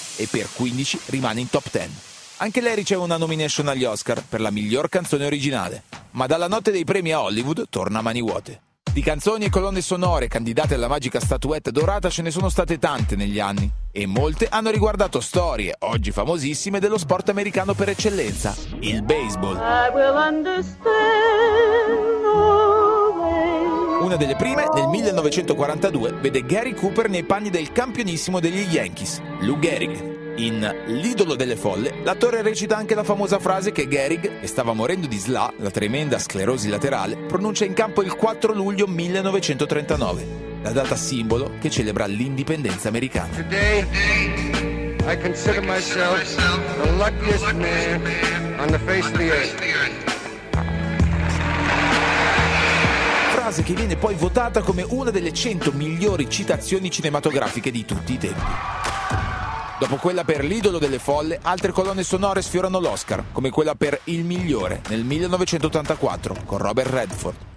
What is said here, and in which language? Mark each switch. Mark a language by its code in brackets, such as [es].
[it] E per 15 rimane in top 10. Anche lei riceve una nomination agli Oscar per la miglior canzone originale. Ma dalla notte dei premi a Hollywood torna a mani vuote. Di canzoni e colonne sonore candidate alla magica statuetta dorata ce ne sono state tante negli anni. E molte hanno riguardato storie, oggi famosissime, dello sport americano per eccellenza, il baseball. [en] I will understand always. [it] Una delle prime, nel 1942, vede Gary Cooper nei panni del campionissimo degli Yankees, Lou Gehrig. In L'idolo delle folle, l'attore recita anche la famosa frase che Gehrig, che stava morendo di SLA, la tremenda sclerosi laterale, pronuncia in campo il 4 luglio 1939, la data simbolo che celebra l'indipendenza americana. [en] Today I consider myself the luckiest man on the face of the earth. [it] Frase che viene poi votata come una delle 100 migliori citazioni cinematografiche di tutti i tempi. Dopo quella per L'idolo delle folle, altre colonne sonore sfiorano l'Oscar, come quella per Il migliore, nel 1984, con Robert Redford.